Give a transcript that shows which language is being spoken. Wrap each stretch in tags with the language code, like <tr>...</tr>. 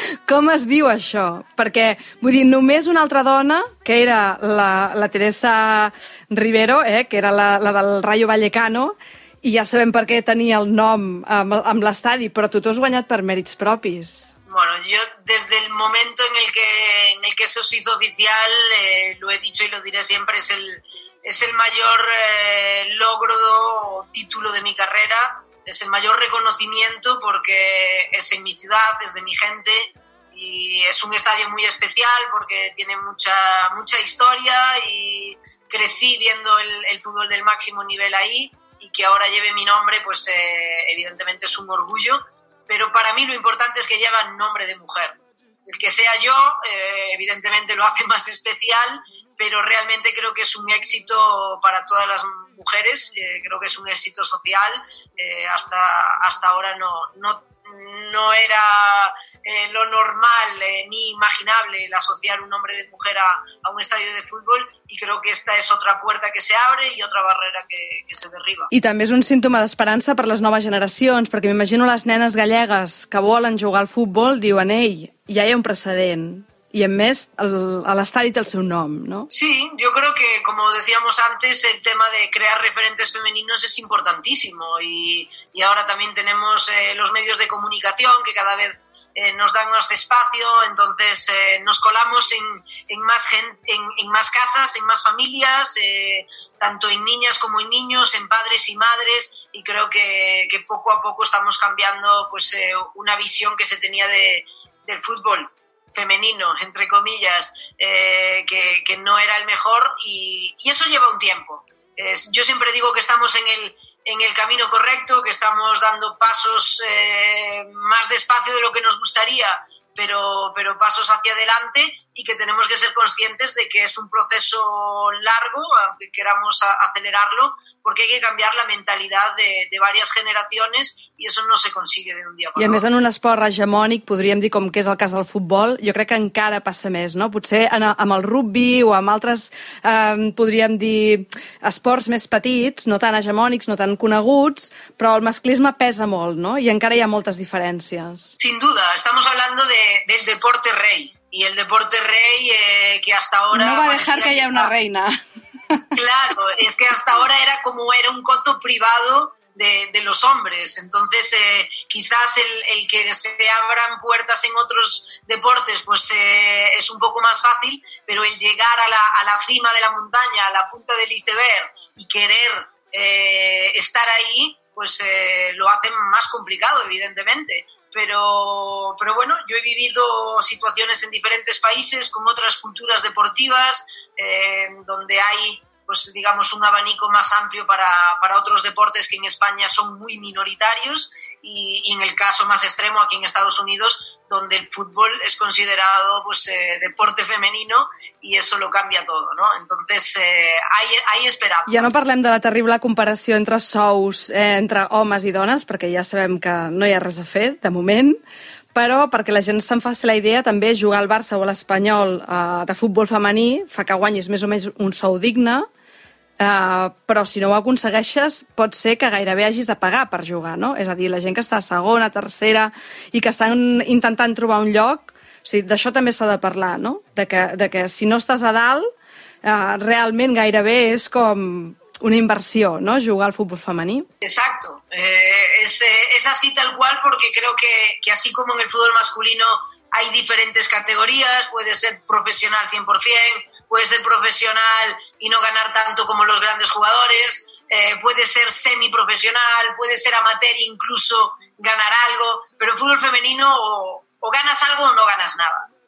<ca>Com es viu això? Perquè, vull dir, només una altra dona, que era la Teresa Rivero, que era la del Rayo Vallecano, i ja sabem per què tenia el nom amb l'estadi, però tu has guanyat per mèrits propis.</ca> <es>Bueno, yo desde el momento en el que eso se hizo oficial, lo he dicho y lo diré siempre, es el mayor logro o título de mi carrera, es el mayor reconocimiento porque es en mi ciudad, es de mi gente y es un estadio muy especial porque tiene mucha, mucha historia y crecí viendo el fútbol del máximo nivel ahí y que ahora lleve mi nombre, pues evidentemente es un orgullo, pero para mí lo importante es que lleva nombre de mujer. El que sea yo, evidentemente lo hace más especial, pero realmente creo que es un éxito para todas las mujeres, creo que es un éxito social. Hasta ahora no era lo normal ni imaginable el asociar un hombre de mujer a un estadio de fútbol y creo que esta es otra puerta que se abre y otra barrera que se derriba.</es> <ca>I també és un símptoma d'esperança per a les noves generacions, perquè m'imagino les nenes gallegues que volen jugar al futbol, diuen ell, ja hi ha un precedent.</ca> <es>Y en mes al estadio del su nombre, ¿no? Sí, yo creo que como decíamos antes, el tema de crear referentes femeninos es importantísimo y ahora también tenemos los medios de comunicación que cada vez nos dan más espacio, entonces nos colamos en más casas, en más familias, tanto en niñas como en niños, en padres y madres, y creo que poco a poco estamos cambiando pues una visión que se tenía del fútbol femenino, entre comillas, que no era el mejor y eso lleva un tiempo. Yo siempre digo que estamos en el camino correcto, que estamos dando pasos más despacio de lo que nos gustaría, pero pasos hacia adelante y que tenemos que ser conscientes de que es un proceso largo, aunque queramos acelerarlo, porque hay que cambiar la mentalidad de varias generaciones y eso no se consigue de un día para otro.</es> <ca>I a més, en un esport hegemònic, podríem dir com que és el cas del futbol, jo crec que encara passa més, no? Potser amb el rugby o amb altres, podríem dir, esports més petits, no tan hegemònics, no tan coneguts, però el masclisme pesa molt, no? I encara hi ha moltes diferències.</ca> <es>Sin duda, estamos hablando del deporte rey. Y el deporte rey que hasta ahora... No va a dejar que haya una reina. Claro, es que hasta ahora era un coto privado de los hombres. Entonces, quizás el que se abran puertas en otros deportes pues es un poco más fácil, pero el llegar a la cima de la montaña, a la punta del iceberg y querer estar ahí, pues lo hace más complicado, evidentemente. Pero bueno, yo he vivido situaciones en diferentes países con otras culturas deportivas donde hay pues digamos un abanico más amplio para otros deportes que en España son muy minoritarios y en el caso más extremo aquí en Estados Unidos, donde el fútbol es considerado pues deporte femenino y eso lo cambia todo, ¿no? Entonces hay esperanza.</es> <ca>Ja no parlem de la terrible comparació entre sous entre homes i dones, perquè ja sabem que no hi ha res a fer de moment, però perquè la gent se'n faci la idea, també jugar al Barça o a l'Espanyol de futbol femení fa que guanyis més o menys un sou digne, però si no ho aconsegueixes pot ser que gairebé hagis de pagar per jugar, no? És a dir, la gent que està a segona, tercera i que estan intentant trobar un lloc, o sigui, d'això també s'ha de parlar, no? De que si no estàs a dalt, realment gairebé és com una inversió, no? Jugar al futbol femení.</ca> <es>Exacto. Es así tal cual, porque creo que así como en el fútbol masculino hay diferentes categorías, puede ser profesional 100%, puede ser profesional y no ganar tanto como los grandes jugadores, puede ser semiprofesional, puede ser amateur incluso ganar algo, pero en fútbol femenino o ganas algo o no ganas nada.</es>